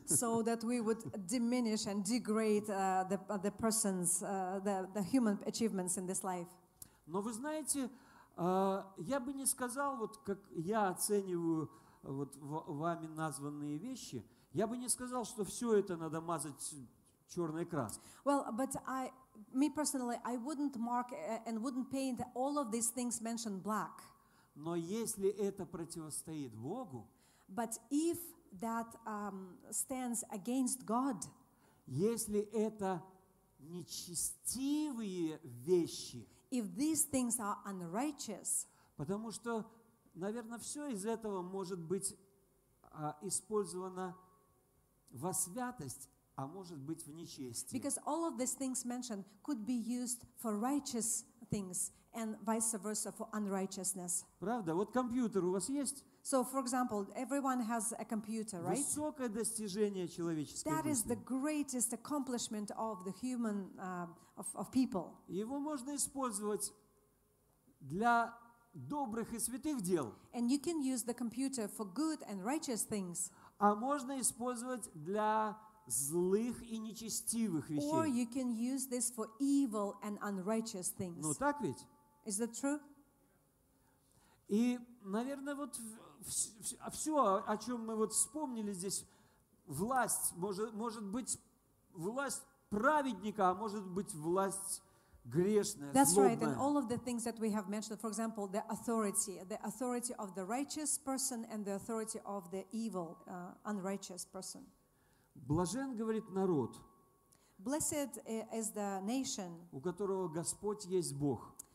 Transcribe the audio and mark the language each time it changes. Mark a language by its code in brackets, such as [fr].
[en] So that we would diminish and degrade the persons, the human achievements in this life. [ru] Но вы знаете, я бы не сказал, вот как я оцениваю вот вами названные вещи, я бы не сказал, что все это надо мазать черной краской. [en] Well, but me personally, I wouldn't mark and wouldn't paint all of these things mentioned black. [ru] Но если это противостоит Богу, [en] but if that stands against God, [ru] если это нечестивые вещи, [en] if these things are unrighteous, [ru] потому что, наверное, все из этого может быть использовано во святость, а может быть в нечестие. [en] Because all of these things mentioned could be used for righteous things and vice versa for unrighteousness. [ru] Правда? Вот компьютер у вас есть? [en] So, for example, everyone has a computer, right? [ru] Высокое достижение человеческой жизни. [en] That is the greatest accomplishment of the human of people. [ru] Его можно использовать для добрых и святых дел. [en] And you can use the computer for good and righteous things. [ru] А можно использовать для злых и нечестивых вещей. [en] Or you can use this for evil and unrighteous things. [ru] Ну так ведь? [en] Is that true? [ru] И, наверное, вот все, о чем мы вот вспомнили здесь, власть, может быть, власть праведника, а может быть, власть грешная, [en] That's [ru] злобная. [en] Right, and all of the things that we have mentioned, for example, the authority of the righteous person and the authority of the evil, unrighteous person. [ru] Блажен, говорит, народ, [en] Blessed is the nation, [ru] у которого Господь есть Бог.